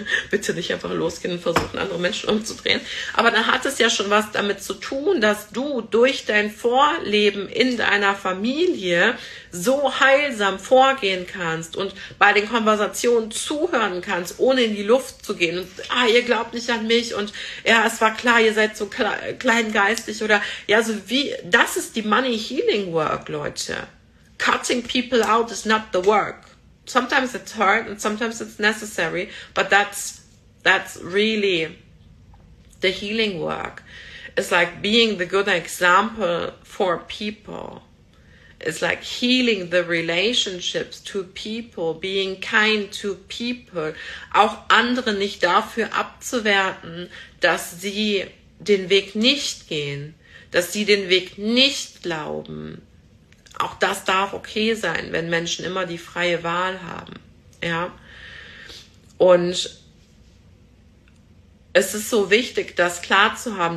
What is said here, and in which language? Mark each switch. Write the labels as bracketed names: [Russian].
[German] bitte nicht einfach losgehen und versuchen, andere Menschen umzudrehen, aber dann hat es ja schon was damit zu tun, dass du durch dein Vorleben in deiner Familie so heilsam vorgehen kannst und bei den Konversationen zuhören kannst, ohne in die Luft zu gehen und, ah, ihr glaubt nicht an mich und, ja, es war klar, ihr seid so kleingeistig oder, ja, so wie, das ist die Money Healing Work, Leute. [English] Cutting people out is not the work. Sometimes it's hard and sometimes it's necessary, but that's really the healing work. It's like being the good example for people. It's like healing the relationships to people, being kind to people. [German] Auch andere nicht dafür abzuwerten, dass sie den Weg nicht gehen, dass sie den Weg nicht glauben. Auch das darf okay sein, wenn Menschen immer die freie Wahl haben. Ja? Und es ist so wichtig, das klar zu haben.